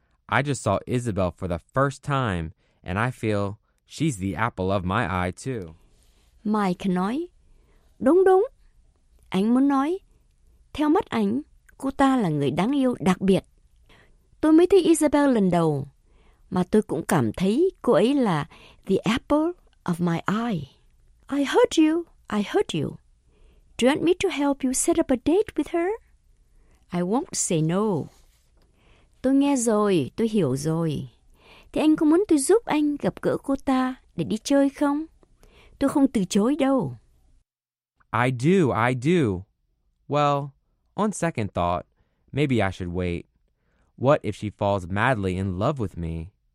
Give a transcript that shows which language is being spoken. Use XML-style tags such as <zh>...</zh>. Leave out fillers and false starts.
<en>I just saw Isabel for the first time, and I feel she's the apple of my eye, too.</en> <vi>Mike nói, đúng đúng. Anh muốn nói, theo mắt anh, cô ta là người đáng yêu đặc biệt. Tôi mới thấy Isabel lần đầu, mà tôi cũng cảm thấy cô ấy là</vi> <en>the apple of my eye. I heard you, I heard you. Do you want me to help you set up a date with her? I won't say no.</en> <vi>Tôi nghe rồi, tôi hiểu rồi. Thế anh có muốn tôi giúp anh gặp gỡ cô ta để đi chơi không? Tôi không từ chối đâu.</vi> <en>I do, I do. Well, on second thought, maybe I should wait. What if she falls madly in love with me?</en>